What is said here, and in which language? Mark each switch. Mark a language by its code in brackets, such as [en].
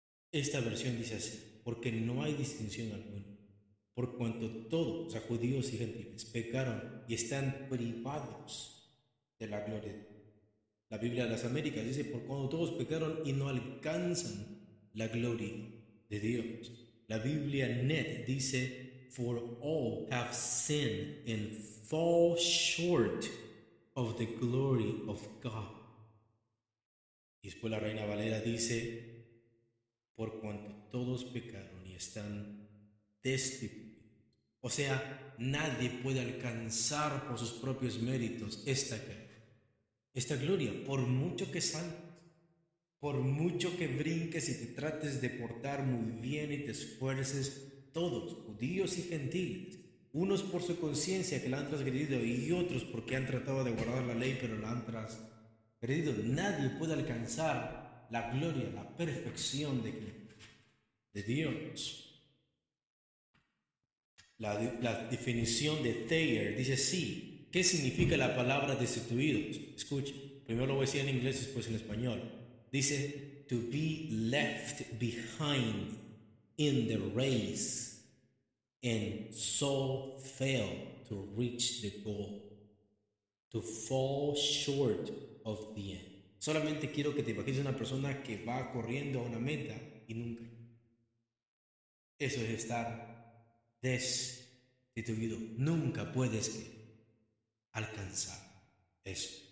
[es] Esta versión dice así, porque no hay distinción alguna. Por cuanto todos, o sea, judíos y gentiles, pecaron y están privados de la gloria de Dios. La Biblia de las Américas dice, por cuando todos pecaron y no alcanzan la gloria de Dios. La Biblia NET dice, [en] for all have sinned and fall short of the glory of God. [es] Y después la Reina Valera dice, por cuanto todos pecaron y están destituidos. O sea, nadie puede alcanzar por sus propios méritos esta gloria. Esta gloria, por mucho que saltes, por mucho que brinques y te trates de portar muy bien y te esfuerces, todos, judíos y gentiles, unos por su conciencia que la han transgredido y otros porque han tratado de guardar la ley pero la han transgredido, nadie puede alcanzar la gloria, la perfección de Dios. La definición de Thayer dice sí. ¿Qué significa la palabra destituidos? Escuche, primero lo voy a decir en inglés, después en español. Dice, [en] to be left behind in the race and so fail to reach the goal. To fall short of the end. [es] Solamente quiero que te imagines una persona que va corriendo a una meta y nunca. Eso es estar destituido. Nunca puedes que alcanzar eso.